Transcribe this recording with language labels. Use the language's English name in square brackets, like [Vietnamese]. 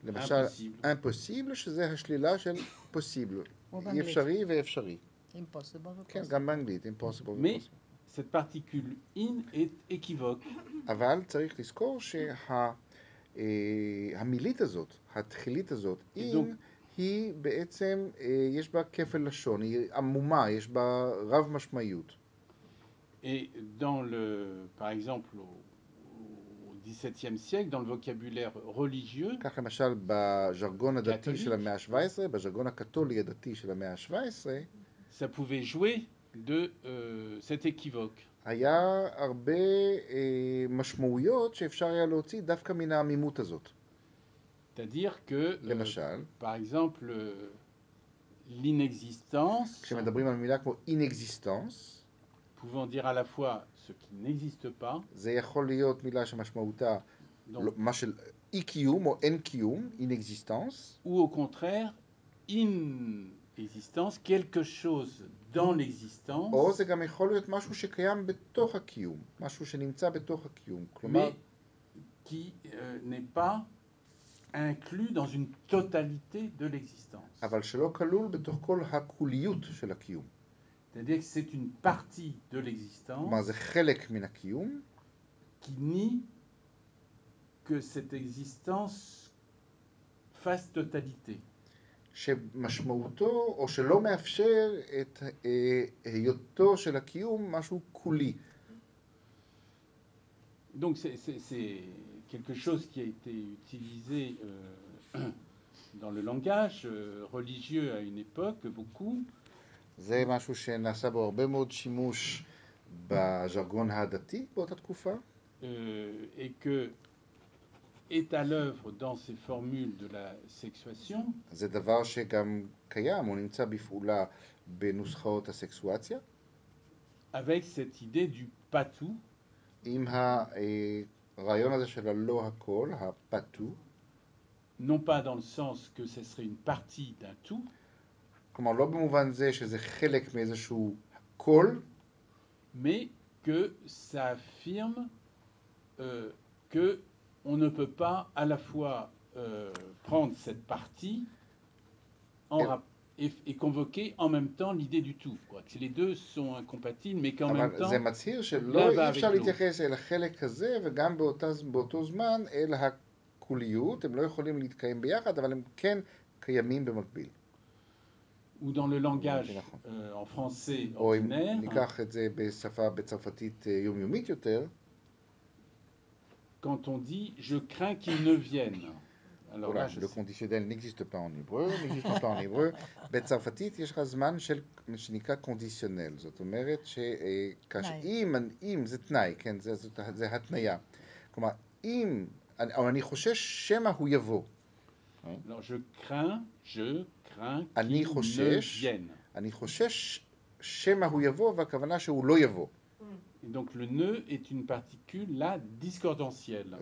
[Hebrew] למשל, impossible, שזה השלילה של possible. אי אפשרי ואפשרי. [English] Impossible. [Hebrew] כן, גם באנגלית, impossible. [French] Mais cette particule in est équivoque. [Hebrew] אבל צריך לזכור שהמילית הזאת, התחילית הזאת, in, היא בעצם, יש בה כפל לשון, היא עמומה, יש בה רב משמעיות. [French] Et dans le, par exemple, au XVIIe siècle, dans le vocabulaire religieux, [Hebrew] כך למשל בז'רגון הדתי של המאה ה-17, בז'רגון הקתולי הדתי של המאה ה-17, [French] ça pouvait jouer de cet équivoque. [Hebrew] היה הרבה משמעויות שאפשר היה להוציא דווקא מן העמימות הזאת. [French] C'est-à-dire que, [Hebrew] למשל, [French] par exemple, l'inexistence, [Hebrew] כשמדברים על מילה כמו inexistence, [French] pouvant dire à la fois ce qui n'existe pas, [Hebrew] זה יכול להיות מילה שמשמעותה, מה של אי-קיום או אין-קיום, inexistence, [French] ou au contraire, inexistence, quelque chose dans l'existence, [Hebrew] או זה גם יכול להיות משהו שקיים בתוך הקיום, משהו שנמצא בתוך הקיום, [French] כלומר, mais qui n'est pas inclus dans une totalité de l'existence. [Hebrew] אבל שלא כלול בתוך כל הכוליות של הקיום. [French] C'est-à-dire que c'est une partie de l'existence. [Hebrew] מה זה חלק מן הקיום? [French] Qui nie que cette existence fasse totalité. [Hebrew] שמשמעותו או שלא מאפשר את היותו של הקיום משהו כולי. [French] Donc c'est quelque chose qui a été utilisé dans le langage religieux à une époque beaucoup. [Hebrew] זה משהו שנעשה בו הרבה מאוד שימוש בז'רגון הדתי באותה תקופה. [French] Et que est à l'œuvre dans ces formules de la sexuation. [Hebrew] זה דבר שגם קיים, הוא נמצא בפעולה בנוסחאות הסקסואציה. [French] Avec cette idée du pas tout. [Hebrew] עם הרעיון הזה של הלא הכל, הפתו. [French] Non pas dans le sens que ce serait une partie d'un tout. [Hebrew] כלומר, לא במובן זה שזה חלק מאיזשהו כל. [French] Mais que ça affirme que on ne peut pas à la fois prendre cette partie en et convoquer en même temps l'idée du tout. Quoi. Que les deux sont incompatibles, mais qu'en même temps, [Hebrew] זה מצהיר שלא אי אפשר להתייחס אל החלק הזה, וגם באותו זמן אל הכוליות. הם לא יכולים להתקיים ביחד, אבל הם כן קיימים במקביל. [French] Ou dans le langage en français ordinaire. [Hebrew] ניקח את זה בשפה בצרפתית יומיומית יותר. [French] Quand on dit je crains qu'il ne vienne. Alors voilà, là, le conditionnel n'existe pas en hébreu, n'existe pas en hébreu. [Hebrew] בצרפתית יש זמן של שנקרא קונדישיונל. זאת אומרת שאם זה תנאי, כן, זה התנאיה. כלומר, אם, או אני חושש שמה הוא יבוא. [French] Alors, je crains qu'il ne vienne. [Hebrew] שמה הוא יבוא, והכוונה שהוא לא יבוא. [French] Et donc le ne est une particule là discordancielle.